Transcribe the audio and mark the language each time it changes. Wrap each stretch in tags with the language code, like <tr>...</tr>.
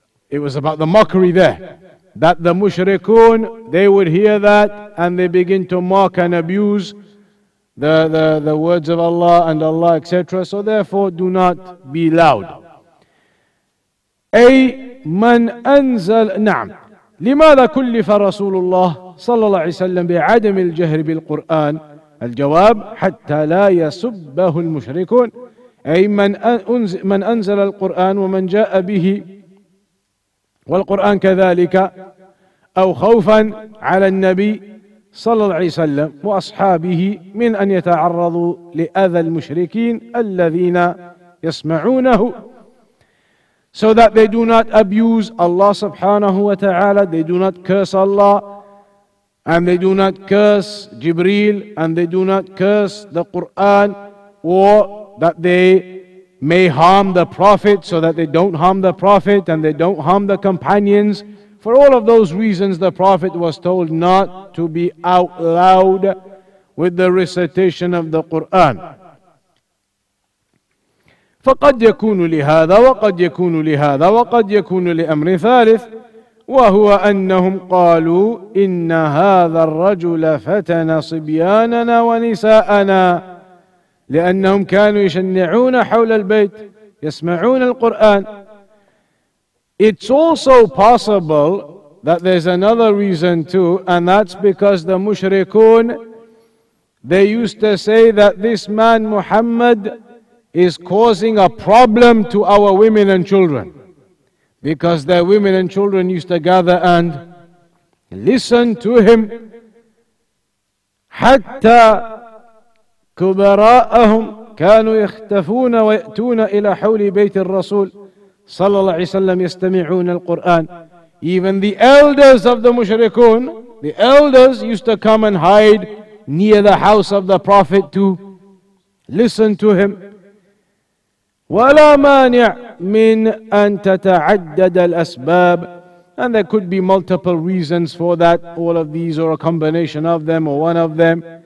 <en>It was about the mockery there. That the mushrikun, they would hear that and they begin to mock and abuse the words of Allah and Allah, etc. So therefore, do not be loud.</en> <ar>أي من أنزل نعم لماذا كلف رسول الله صلى الله عليه وسلم بعدم الجهر بالقرآن الجواب حتى لا يسبه المشركون أي من أنزل القرآن ومن جاء به والقرآن كذلك أو خوفا على النبي صلى الله عليه وسلم وأصحابه من أن يتعرضوا لأذى المشركين الذين يسمعونه.</ar> <en>So that they do not abuse Allah subhanahu wa ta'ala, they do not curse Allah, and they do not curse Jibreel, and they do not curse the Qur'an, or that they may harm the Prophet, so that they don't harm the Prophet, and they don't harm the companions. For all of those reasons, the Prophet was told not to be out loud with the recitation of the Qur'an.</en> <ar>فقد يكون لهذا وقد يكون لهذا وقد يكون لأمر ثالث وهو أنهم قالوا إن هذا الرجل فتن صبياننا ونساءنا لأنهم كانوا يشنعون حول البيت يسمعون القرآن.</ar> <en>It's also possible that there's another reason too, and that's because the mushrikun, they used to say that this man Muhammad is causing a problem to our women and children, because their women and children used to gather and listen to him.</en> <ar>حتى كبراءهم كانوا يختفون ويأتون إلى حول بيت الرسول صلى الله عليه وسلم يستمعون القرآن.</ar> <en>Even the elders of the mushrikun, the elders used to come and hide near the house of the Prophet to listen to him.</en> <ar>وَلَا مَانِعْ مِنْ أَن تَتَعَدَّدَ الْأَسْبَابِ.</ar> <en>And there could be multiple reasons for that, all of these or a combination of them or one of them.</en>